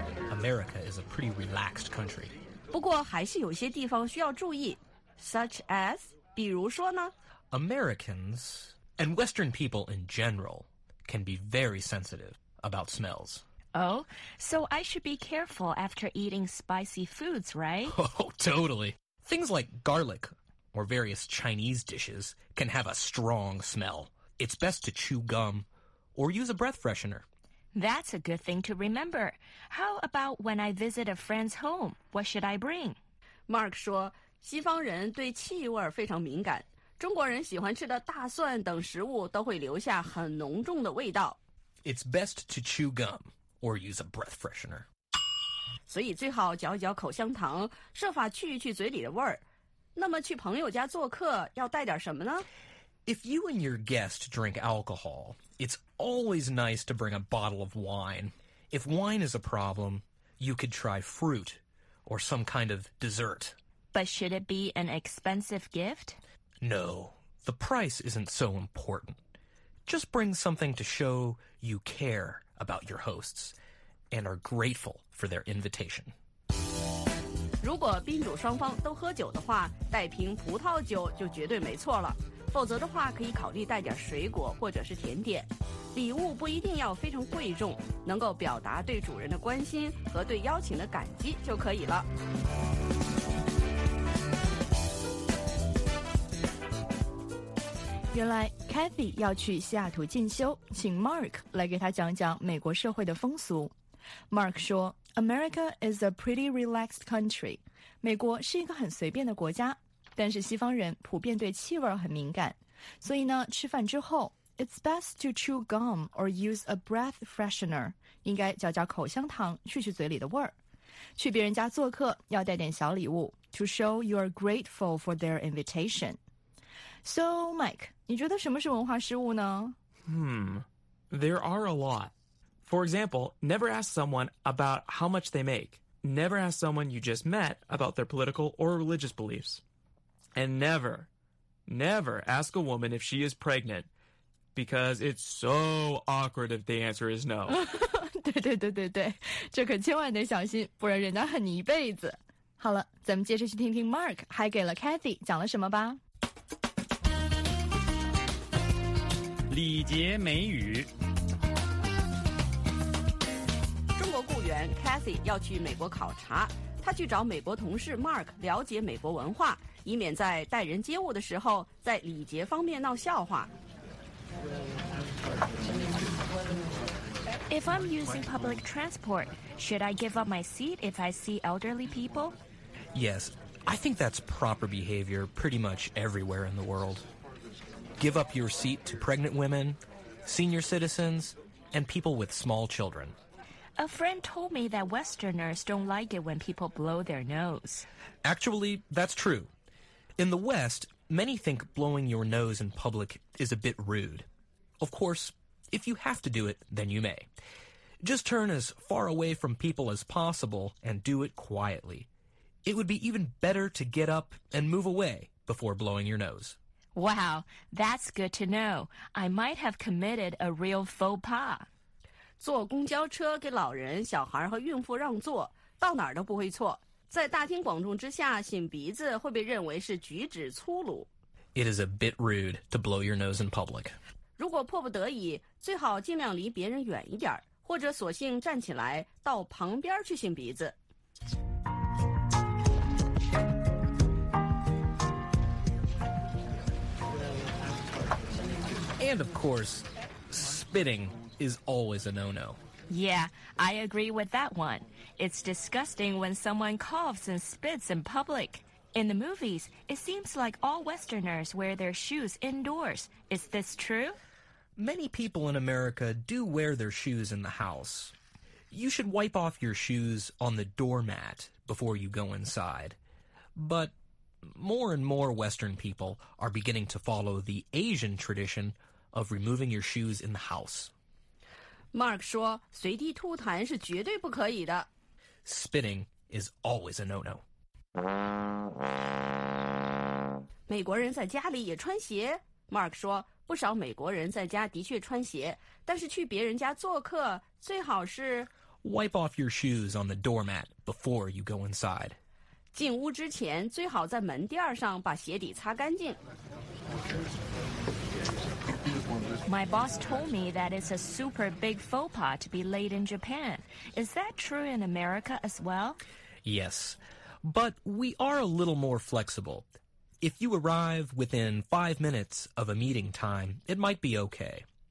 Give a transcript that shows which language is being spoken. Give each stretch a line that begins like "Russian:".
English: America is a pretty relaxed country.
Chinese: 不过还是有些地方需要注意 ,
English: such as,
Chinese: 比如说呢?
English: Americans, and Western people in general, can be very sensitive about smells. Oh, so I should be careful after eating spicy foods, right? Oh, totally. Things like garlic or various Chinese dishes can have a strong smell. It's best to chew gum or use a breath freshener. That's a good thing to remember. How about when I visit a friend's home? What should I bring?
Chinese: Mark 说，西方人对气味非常敏感，中国人喜欢吃的大蒜等食物都会留下很浓重的味道。
English: It's best to chew gum or use a breath freshener.
Chinese: 所以最好嚼一嚼口香糖，设法去一去嘴里的味儿。那么去朋友家做客要带点什么呢？
English: If you and your guest drink alcohol, it's always nice to bring a bottle of wine. If wine is a problem, you could try fruit or some kind of dessert. But should it be an expensive gift? No, the price isn't so important. Just bring something to show you care about your hosts and are grateful for their invitation.
Chinese: 如果宾主双方都喝酒的话，带瓶葡萄酒就绝对没错了。否则的话，可以考虑带点水果或者是甜点。礼物不一定要非常贵重，能够表达对主人的关心和对邀请的感激就可以了。原来 Cathy 要去西雅图进修，请 Mark 来给他讲讲美国社会的风俗。
English: Mark
Chinese: 说
English: America is a pretty relaxed country.
Chinese: 美国是一个很随便的国家，但是西方人普遍对气味很敏感。所以呢，吃饭之后
English: ,it's best to chew gum or use a breath freshener.
Chinese: 应该嚼嚼口香糖去去嘴里的味儿。去别人家做客要带点小礼物
English: ,to show you are grateful for their invitation.
Chinese: So, Mike, 你觉得什么是文化失误呢？
English: There are a lot. For example, never ask someone about how much they make. Never ask someone you just met about their political or religious beliefs. And never, never ask a woman if she is pregnant because it's so awkward if the answer is no.
Chinese: 对对对对对，这可千万得小心，不然人家恨你一辈子。好了，咱们接着去听听 Mark 还给了 Cathy 讲了什么吧。礼节美语 Cathy 要去美国考察，他去找美国同事 Mark 了解美国文化，以免在待人接物的时候在礼节方面闹笑话。
English: If I'm using public transport, should I give up my seat if I see elderly people? Yes, I think that's proper behavior pretty much everywhere in the world. Give up your seat to pregnant women, senior citizens, and people with small children. A friend told me that Westerners don't like it when people blow their nose. Actually, that's true. In the West, Many think blowing your nose in public is a bit rude. Of course, if you have to do it, then you may. Just turn as far away from people as possible and do it quietly. It would be even better to get up and move away before blowing your nose. Wow, that's good to know. I might have committed a real faux pas.
Chinese: 坐公交车给老人、小孩和孕妇让座，到哪儿都不会错。在大庭广众之下擤鼻子会被认为是举止粗鲁。
English: It is a bit rude to blow your nose in public.
Chinese: 如果迫不得已，最好尽量离别人远一点，或者索性站起来到旁边去擤鼻子。
English: And of course, spitting is always a no-no. Yeah, I agree with that one. It's disgusting when someone coughs and spits in public. In the movies, it seems like all Westerners wear their shoes indoors. Is this true? Many people in America do wear their shoes in the house. You should wipe off your shoes on the doormat before you go inside. But more and more Western people are beginning to follow the Asian tradition of removing your shoes in the house.
Chinese: Mark 说随地吐痰是绝对不可以的。
English: Spitting is always a no-no.
Chinese: 美国人在家里也穿鞋。 Mark 说不少美国人在家的确穿鞋，但是去别人家做客最好是
English: Wipe off your shoes on the doormat before you go inside.
Chinese: 进屋之前最好在门垫上把鞋底擦干净。
English: My boss told me that it's a super big faux pas to be late in Japan. Is that true in America as well? Yes, but we are a little more flexible. If you arrive within 5 minutes of a meeting time, it might be okay.